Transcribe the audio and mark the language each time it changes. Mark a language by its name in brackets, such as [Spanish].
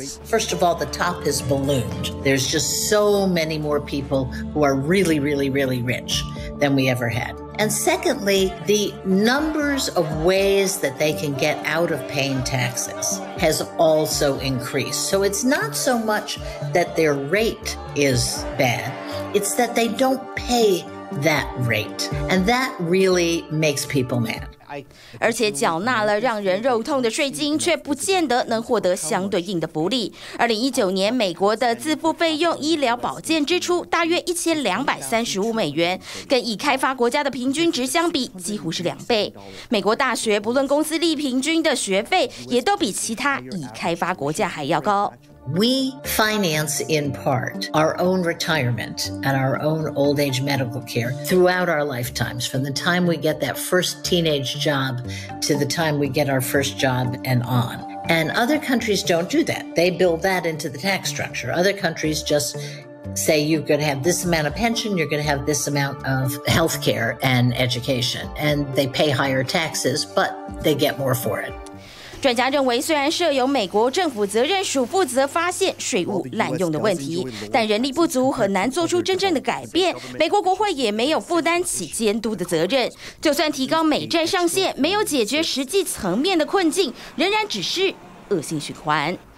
[English] First of all, the top has ballooned. There's just so many more people who are really, really, really rich than we ever had. And secondly, the numbers of ways that they can get out of paying taxes has also increased. So it's not so much that their rate is bad, it's that they don't pay that rate. And that really makes people mad. [Chinese] 而且缴纳了让人肉痛的税金，却不见得能获得相对应的福利。 2019年，美国的自付费用医疗保健支出大约1235美元，跟已开发国家的平均值相比，几乎是两倍。美国大学不论公私立，平均的学费也都比其他已开发国家还要高。 [English] We finance in part our own retirement and our own old age medical care throughout our lifetimes, from the time we get that first teenage job to the time we get our first job and on. And other countries don't do that. They build that into the tax structure. Other countries just say you're going to have this amount of pension, you're going to have this amount of health care and education. And they pay higher taxes, but they get more for it. [Chinese] 专家认为，虽然设有美国政府责任署负责发现税务滥用的问题，但人力不足很难做出真正的改变。美国国会也没有负担起监督的责任。就算提高美债上限，没有解决实际层面的困境，仍然只是恶性循环。